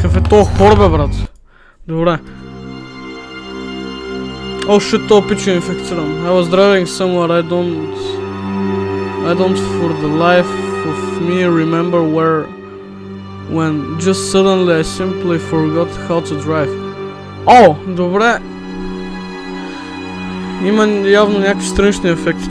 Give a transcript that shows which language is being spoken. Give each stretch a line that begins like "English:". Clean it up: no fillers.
Bulgarian: О, хорба, брат. Добре. О, шит, тоя пич е инфекциран.
English: I was driving somewhere, I don't for the life of me remember where, when just suddenly I simply forgot how to drive.
Bulgarian: О, добре. Има явно някакви странични ефекти.